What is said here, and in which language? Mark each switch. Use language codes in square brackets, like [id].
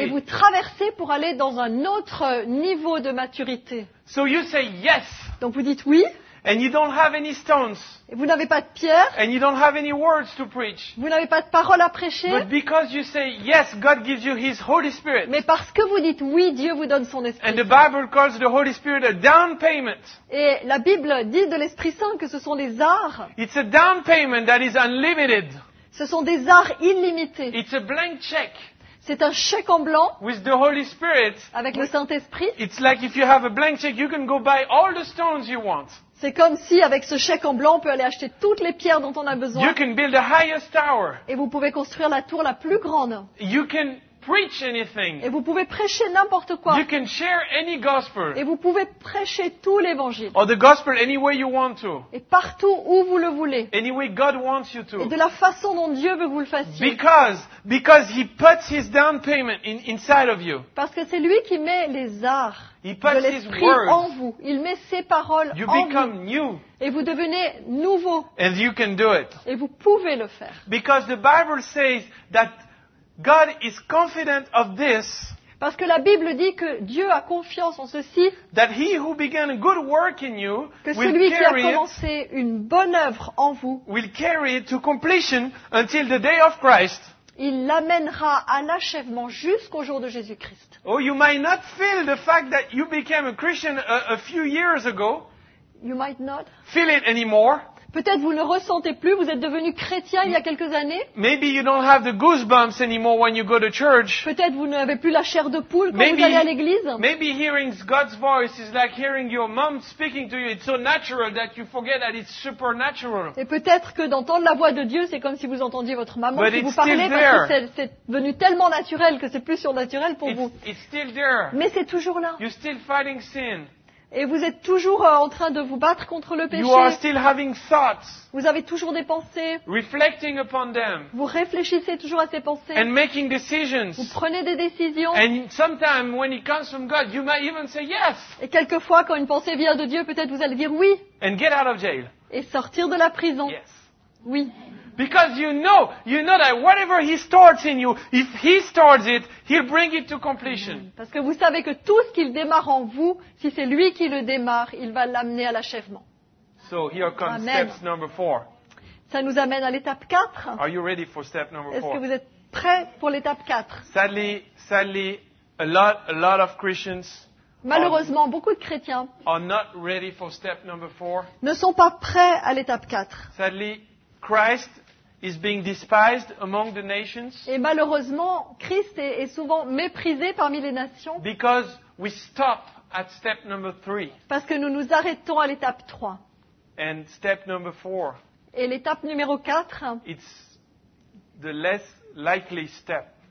[fr] Et vous traversez pour aller dans un autre niveau de maturité. [en] So you say yes. [fr] Donc vous dites oui. [en] And you don't have any stones. [fr] Et vous n'avez pas de pierres. [en] And you don't have any words to preach. [fr] Vous n'avez pas de paroles à prêcher. [en] But because you say yes, God gives you His Holy Spirit. [fr] Mais parce que vous dites oui, Dieu vous donne son Esprit. [en] And the Bible calls the Holy Spirit a down payment. [fr] Et la Bible dit de l'Esprit Saint que ce sont des arrhes. [en] It's a down payment that is unlimited. [fr] Ce sont des arrhes illimités. [en] It's a blank check. [fr] C'est un chèque en blanc [en] with the Holy Spirit, [fr] avec le Saint-Esprit. [en] It's like if you have a blank check, you can go buy all the stones you want. [fr] C'est comme si avec ce chèque en blanc, on peut aller acheter toutes les pierres dont on a besoin. [en] You can build the highest tower. [fr] Et vous pouvez construire la tour la plus grande. [en] You can preach anything. [fr] Et vous pouvez prêcher n'importe quoi. [en] You can share any gospel. [fr] Et vous pouvez prêcher tout l'évangile. [en] Or the gospel any way you want to. [fr] Et partout où vous le voulez. [en] Any way God wants you to. [fr] Et de la façon dont Dieu veut que vous le fassiez. [en] Because he puts his down payment inside of you. [fr] Parce que c'est lui qui met les arts. [en] He puts [fr] de l'Esprit [en] his words. [fr] En vous. Il met ses paroles [en] you [fr] en vous. [en] You become new. [fr] Et vous devenez nouveau. [en] And you can do it. [fr] Et vous pouvez le faire. [en] Because the Bible says that God is confident of this. [fr] Parce que la Bible dit que Dieu a confiance en ceci. [en] That he who began a good work in you will carry [fr] it. Que celui qui a commencé une bonne œuvre en vous [en] will carry it to completion until the day of Christ. [fr] Il l'amènera à l'achèvement jusqu'au jour de Jésus-Christ. [en] Oh, you might not feel the fact that you became a Christian a few years ago. You might not feel it anymore. [fr] Peut-être vous ne ressentez plus, vous êtes devenu chrétien il y a quelques années. [en] Maybe you don't have the goosebumps anymore when you go to church. [fr] Peut-être vous n'avez plus la chair de poule quand vous allez à l'église. [en] Maybe hearing God's voice is like hearing your mom speaking to you. It's so natural that you forget that it's supernatural. [fr] Et peut-être que d'entendre la voix de Dieu, c'est comme si vous entendiez votre maman qui vous parlait parce que c'est devenu tellement naturel que c'est plus surnaturel pour vous. [en] It's still there. [fr] Mais c'est toujours là. [en] You're still fighting sin. [fr] Et vous êtes toujours en train de vous battre contre le péché. [en] You are still having thoughts. [fr] Vous avez toujours des pensées. [en] Reflecting upon them. [fr] Vous réfléchissez toujours à ces pensées. [en] And making decisions. [fr] Vous prenez des décisions. [en] And sometimes when it comes from God, you might even say yes. [fr] Et quelquefois, quand une pensée vient de Dieu, peut-être vous allez dire oui. [en] And get out of jail. [fr] Et sortir de la prison. [en] Yes. [fr] Oui. [en] Because you know that whatever he starts in you, if he starts it, he'll bring it to completion. [fr] Parce que vous savez que tout ce qu'il démarre en vous, si c'est lui qui le démarre, il va l'amener à l'achèvement. [en] So here comes step number 4. [fr] Ça nous amène à l'étape 4. [en] Are you ready for step number 4? [fr] Est-ce que vous êtes prêt pour l'étape 4? [en] Sadly, a lot of Christians. [fr] Malheureusement, beaucoup de chrétiens [en] are not ready for step number 4. [fr] Ne sont pas prêts à l'étape 4. [en] Sadly, Christ is being despised among the nations. [fr] Et malheureusement, Christ est souvent méprisé parmi les nations. [en] Because we stop at step number 3. [fr] Parce que nous nous arrêtons à l'étape 3. [en] And step number 4. [fr] Et l'étape numéro 4. [en] It's the less likely step.